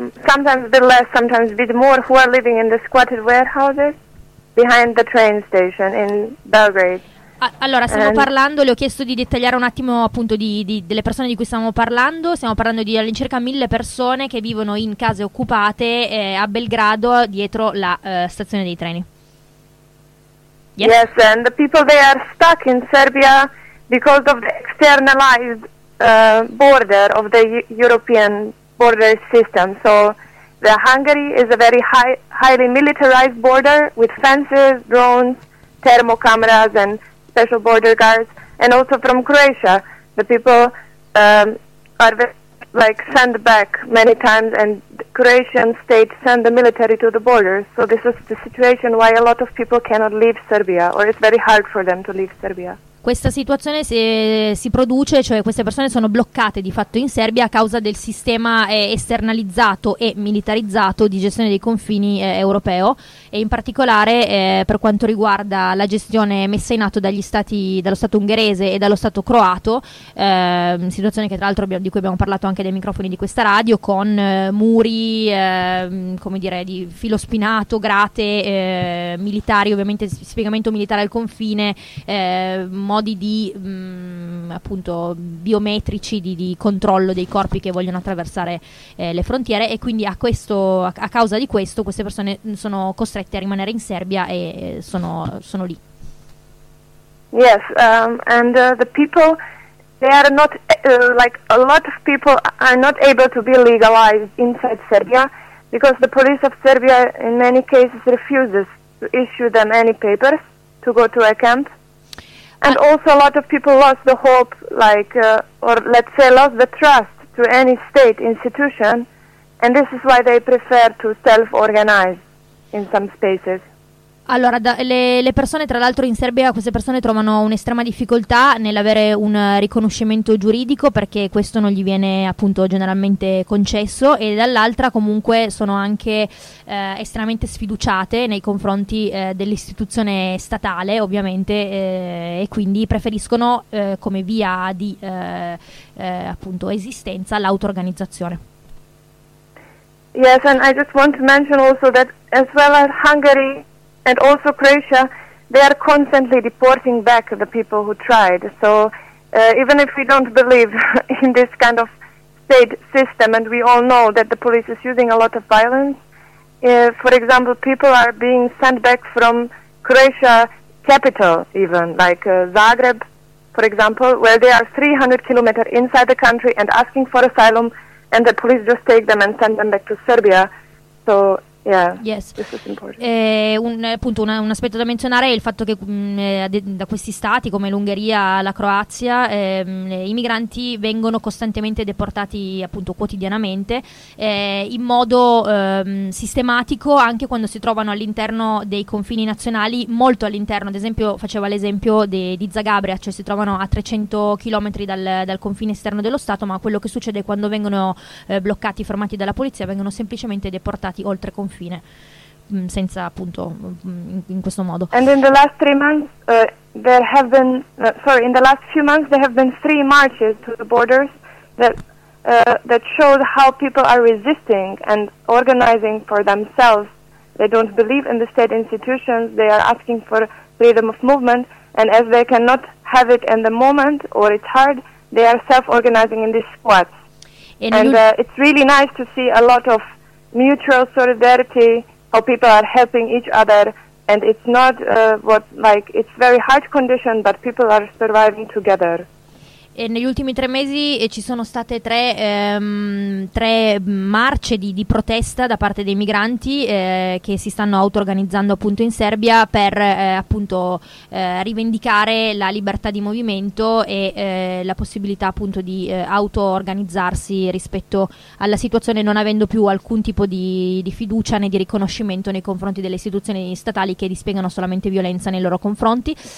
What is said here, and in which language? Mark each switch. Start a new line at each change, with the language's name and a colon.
English: Sometimes a bit less, sometimes a bit more, who are living in the squatted warehouses behind the train station in Belgrade.
Italian: Allora, stiamo parlando, le ho chiesto di dettagliare un attimo appunto di delle persone di cui stiamo parlando di all'incirca 1,000 persone che vivono in case occupate a Belgrado dietro la stazione dei treni.
English: Yes. Yes, and the people, they are stuck in Serbia because of the externalized border of the European border system. So the Hungary is a very highly militarized border with fences, drones, thermo cameras and special border guards. And also from Croatia, the people are sent back many times, and the Croatian state sent the military to the border. So this is the situation why a lot of people cannot leave Serbia, or it's very hard for them to leave Serbia.
Italian: Questa situazione si produce, cioè queste persone sono bloccate di fatto in Serbia a causa del sistema esternalizzato e militarizzato di gestione dei confini europeo, e in particolare per quanto riguarda la gestione messa in atto dagli stati, dallo stato ungherese e dallo stato croato, situazione che tra l'altro di cui abbiamo parlato anche dai microfoni di questa radio, con muri come dire di filo spinato, grate militari, ovviamente spiegamento militare al confine, modi di appunto biometrici di controllo dei corpi che vogliono attraversare le frontiere, e quindi a causa di questo queste persone sono costrette a rimanere in Serbia e sono lì.
English: Yes, and the people, they are not a lot of people are not able to be legalized inside Serbia because the police of Serbia in many cases refuses to issue them any papers to go to a camp. And also a lot of people lost the hope, or let's say lost the trust to any state institution, and this is why they prefer to self-organize in some spaces.
Italian: Allora, le persone, tra l'altro in Serbia, queste persone trovano un'estrema difficoltà nell'avere un riconoscimento giuridico, perché questo non gli viene appunto generalmente concesso, e dall'altra comunque sono anche estremamente sfiduciate nei confronti dell'istituzione statale, ovviamente, e quindi preferiscono come via di appunto esistenza l'auto-organizzazione.
English: Yes, and I just want to mention also that as well as Hungary and also Croatia, they are constantly deporting back the people who tried. So even if we don't believe in this kind of state system, and we all know that the police is using a lot of violence, for example, people are being sent back from Croatia capital, even like Zagreb, for example, where they are 300 kilometers inside the country and asking for asylum, and the police just take them and send them back to Serbia. So yes.
Italian: Un aspetto da menzionare è il fatto che da questi stati come l'Ungheria, la Croazia, i migranti vengono costantemente deportati appunto quotidianamente in modo sistematico, anche quando si trovano all'interno dei confini nazionali, molto all'interno. Ad esempio, faceva l'esempio di Zagabria, cioè si trovano a 300 chilometri dal confine esterno dello stato, ma quello che succede è quando vengono bloccati, fermati dalla polizia, vengono semplicemente deportati oltre confine. Fine, senza appunto in questo modo.
English: And in the last 3 months there have been in the last few months there have been 3 marches to the borders that showed how people are resisting and organizing for themselves. They don't believe in the state institutions, they are asking for freedom of movement, and as they cannot have it in the moment or it's hard, they are self-organizing in these squads. It's really nice to see a lot of mutual solidarity, how people are helping each other, and it's not it's very hard condition, but people are surviving together.
Italian: e negli ultimi 3 mesi ci sono state tre marce di protesta da parte dei migranti che si stanno auto-organizzando appunto in Serbia per appunto rivendicare la libertà di movimento e la possibilità appunto di auto-organizzarsi rispetto alla situazione, non avendo più alcun tipo di fiducia né di riconoscimento nei confronti delle istituzioni statali che dispiegano solamente violenza nei loro confronti.